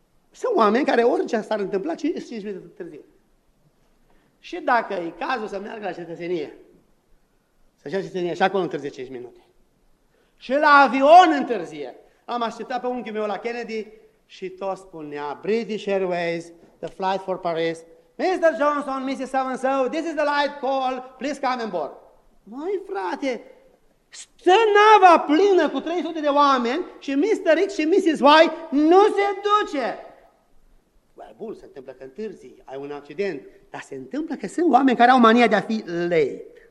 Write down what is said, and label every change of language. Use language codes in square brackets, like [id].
[ro] Sunt oameni care orice s-ar întâmpla 5 minute târziu. Și dacă e cazul să meargă la cetățenie, să ia cetățenie și acolo întârzie 5 minute. Și la avion întârzie. Am așteptat pe unchiul meu la Kennedy și tot spunea British Airways, [en] the flight for Paris, Mr. Johnson, Mrs. So-and-so, this is the light call, please come on board. [ro] Măi frate, stă nava plină cu 300 de oameni și Mr. X și Mrs. Y nu se duce. Bun, se întâmplă că întârzi, ai un accident, dar se întâmplă că sunt oameni care au mania de a fi [en] late.